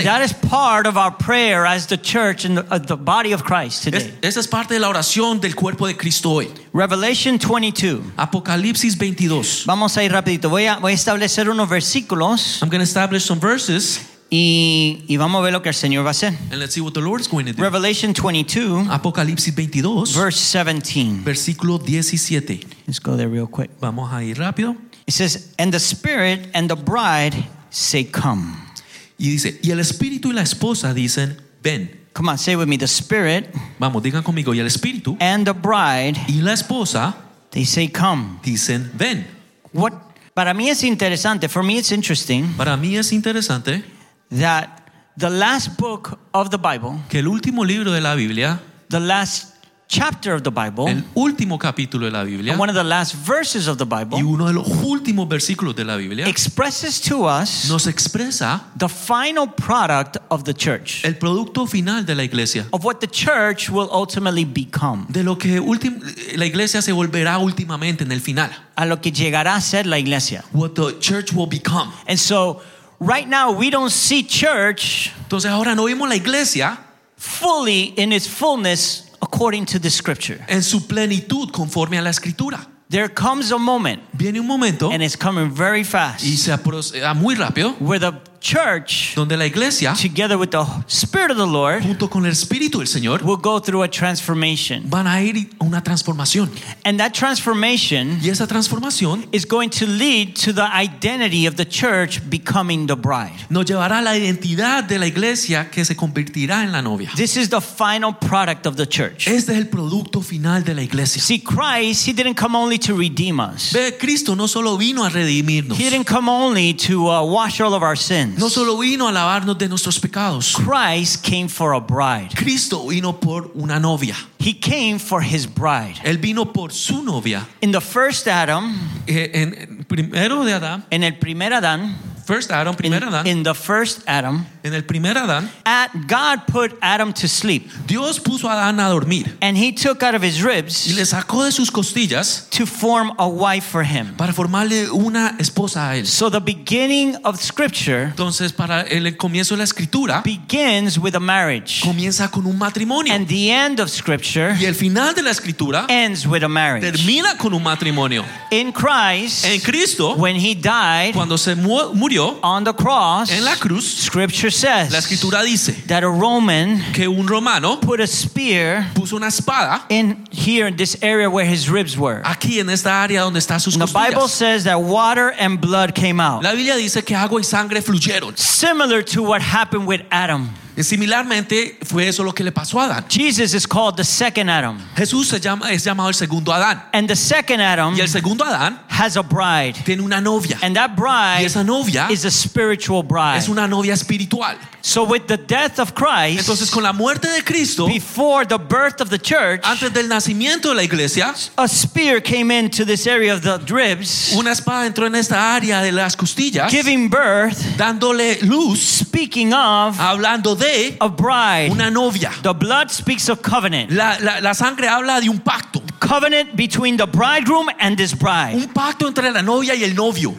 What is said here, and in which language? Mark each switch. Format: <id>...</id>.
<en>And that is part of our prayer as the church and the body of Christ today.</en> <es>Esa es parte de la oración del cuerpo de Cristo hoy.</es> <en>Revelation 22.</en> <es>Apocalipsis 22. Vamos a ir rapidito. Voy a establecer unos versículos.</es> <en>I'm going to establish some verses.</en> <es>Y vamos a ver lo que el Señor va a hacer.</es> <en>And let's see what the Lord is going to do. Revelation 22.</en> <es>Apocalipsis 22.</es> <en>Verse 17.</en> <es>Versículo 17.</es> <en>Let's go there real quick.</en> <es>Vamos a ir rápido.</es> <en>It says, and the Spirit and the bride say, come.</en> <es>Y dice, y el Espíritu y la esposa dicen, ven.</es> <en>Come on, say with me, the Spirit.</en> <es>Vamos, digan conmigo, y el Espíritu.</es> <en>And the bride.</en> <es>Y la esposa.</es> <en>They say, come.</en> <es>Dicen, ven.</es> <en>What?</en> <es>Para mí es interesante.</es> <en>For me, it's interesting.</en> <es>Para mí es interesante.</es> <en>That the last book of the Bible.</en> <es>Que el último libro de la Biblia.</es> <en>The last chapter of the Bible.</en> <es>El último capítulo de la Biblia.</es> <en>And one of the last verses of the Bible.</en> <es>Y uno de los últimos versículos de la Biblia.</es> <en>Expresses to us.</en> <es>Nos expresa.</es> <en>The final product of the church.</en> <es>El producto final de la iglesia.</es> <en>Of what the church will ultimately become.</en> <es>De lo que la iglesia se volverá últimamente en el final. A lo que llegará a ser la iglesia.</es> <en>What the church will become. And so, right now we don't see church.</en> <es>Entonces ahora no vemos la iglesia.</es> <en>Fully in its fullness. According to the scripture.</en> <es>En su plenitud conforme a la escritura.</es> <en>There comes a moment.</en> <es>Viene un momento.</es> <en>And it's coming very fast.</en> <es>Y se aproxima muy rápido.</es> <en>Where the church.</en> <es>Donde la iglesia.</es> <en>Together with the Spirit of the Lord.</en> <es>Junto con el Espíritu del Señor.</es> <en>Will go through a transformation.</en> <es>Van a ir una transformación.</es> <en>And that transformation.</en> <es>Y esa transformación.</es> <en>Is going to lead to the identity of the church becoming the bride.</en> <es>Nos llevará a la identidad de la iglesia que se convertirá en la novia.</es> <en>This is the final product of the church.</en> <es>Este es el producto final de la iglesia.</es> <en>See, Christ, He didn't come only to redeem us.</en> <es>Ve, Cristo no solo vino a redimirnos.</es> <en>He didn't come only to wash all of our sins.</en> <es>No solo vino a lavarnos de nuestros pecados.</es> <en>Christ came for a bride.</en> <es>Cristo vino por una novia.</es> <en>He came for His bride.</en> <es>Él vino por su novia.</es> <en>In the first Adam.</en> <es>En primero de Adán. En el primer Adán.</es> <en>First Adam,</en> <es>primer Adán.</es> <en>In the first Adam.</en> <es>En el primer Adán,</es> <en>God put Adam to sleep.</en> <es>Dios puso a Adán a dormir.</es> <en>And he took out of his ribs.</en> <es>Y le sacó de sus costillas.</es> <en>To form a wife for him.</en> <es>Para formarle una esposa a él.</es> <en>So the beginning of scripture.</en> <es>Entonces para el comienzo de la escritura.</es> <en>Begins with a marriage.</en> <es>Comienza con un matrimonio.</es> <en>And the end of scripture.</en> <es>Y el final de la escritura.</es> <en>Ends with a marriage.</en> <es>Termina con un matrimonio.</es> <en>In Christ.</en> <es>En Cristo.</es> <en>When he died.</en> <es>Cuando se murió.</es> <en>On the cross.</en> <es>En la cruz.</es> <en>Scripture.</en> <es>La escritura dice</es> <en>that a Roman</en> <es>que un romano</es> <en>put a spear</en> <es>puso una espada</es> <en>in here in this area where his ribs were.</en> <es>Aquí en esta área donde están sus costillas.</es> <en>The Bible says that water and blood came out.</en> <es>La Biblia dice que agua y sangre fluyeron.</es> <en>Similar to what happened with Adam.</en> <es>Similarmente fue eso lo que le pasó a Adán.</es> <en>Jesus is called the second Adam.</en> <es>Jesús es llamado el segundo Adán.</es> <en>And the second Adam</en> <es>y el segundo Adán</es> <en>has a bride.</en> <es>Tiene una novia.</es> <en>And that bride</en> <es>y esa novia</es> <en>is a spiritual bride.</en> <es>Es una novia espiritual.</es> <en>So with the death of Christ,</en> <es>entonces con la muerte de Cristo,</es> <en>before the birth of the church,</en> <es>antes del nacimiento de la iglesia,</es> <en>a spear came into this area of the ribs,</en> <es>una espada entró en esta área de las costillas,</es> <en>giving birth,</en> <es>dándole luz,</es> <en>speaking of,</en> <es>hablando de,</es> <en>a bride,</en> <es>una novia.</es> <en>The blood speaks of covenant.</en> <es>La sangre habla de un pacto.</es> <en>Covenant between the bridegroom and his bride.</en> <es>Un pacto entre la novia y el novio.</es>